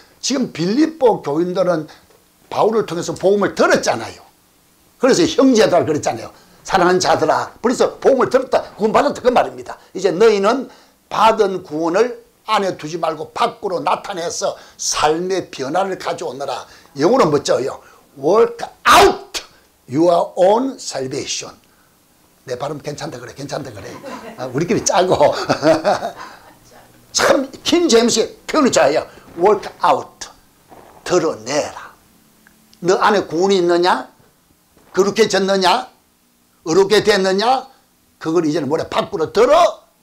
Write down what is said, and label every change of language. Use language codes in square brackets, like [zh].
[ko] 지금 빌립보 교인들은 바울을 통해서 복음을 들었잖아요. 그래서 형제들아 그랬잖아요. 사랑하는 자들아. 그래서 복음을 들었다. 구원 받았다. 그 말입니다. 이제 너희는 받은 구원을 안에 두지 말고 밖으로 나타내서 삶의 변화를 가져오느라. 영어로 멋져요. [en] Work out your own salvation. [ko] 내 발음 괜찮다 그래. 괜찮다 그래. 우리끼리 짜고. 참 킹 제임스의 표현이 좋아요. [en] Work out. [ko] 드러내라. 너 안에 구원이 있느냐? 그렇게 졌느냐? 의롭게 됐느냐? 그걸 이제는 뭐래? 밖으로 들어.